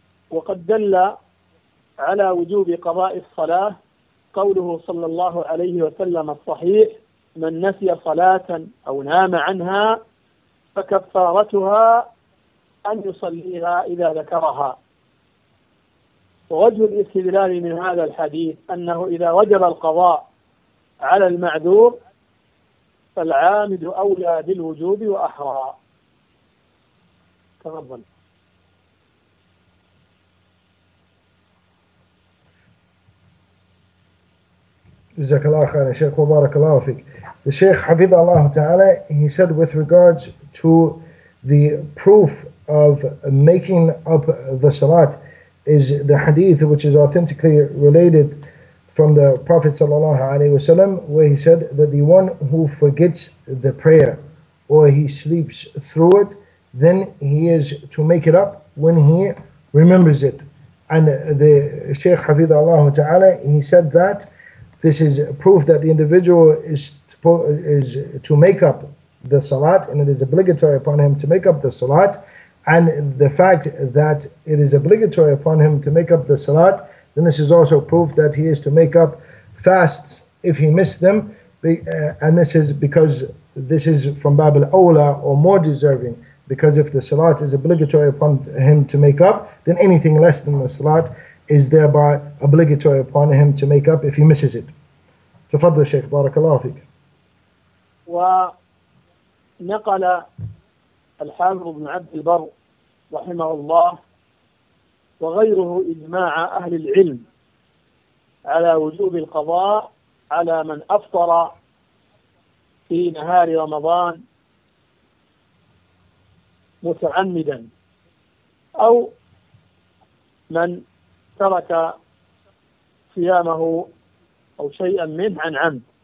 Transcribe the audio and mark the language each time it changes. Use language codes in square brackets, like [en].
[ar] Wa qad dalla ala wujub qada'i as-salah qawluhu sallallahu alayhi wa sallam as-sahih man nasiya salatan aw nama 'anha fakaffaratuha أن يصليها إذا ذكرها. ووجه الاستدلال من هذا الحديث أنه إذا وجب القضاء على المعذور فالعامد أولى بالوجوب وأحرى. تفضل. جزاك الله خير شيخ وبارك الله فيك. الشيخ حفظه الله تعالى, [en] he said with regards to the proof of making up the salat is the hadith which is authentically related from the Prophet sallallahu alaihi wasallam, where he said that the one who forgets the prayer or he sleeps through it, then he is to make it up when he remembers it. And the Shaykh Hafidha Allah Ta'ala, he said that this is proof that the individual is to make up the salat, and it is obligatory upon him to make up the salat. And the fact that it is obligatory upon him to make up the salat, then this is also proof that he is to make up fasts if he missed them. And this is because this is from Bab al-Awla, or more deserving, because if the salat is obligatory upon him to make up, then anything less than the salat is thereby obligatory upon him to make up if he misses it. [ar] Tafadhal Shaykh, barakallahu fik. Wa naqala الحافظ بن عبد البر رحمه الله وغيره إجماع أهل العلم على وجوب القضاء على من أفطر في نهار رمضان متعمدا أو من ترك صيامه أو شيئا منه عن عمد.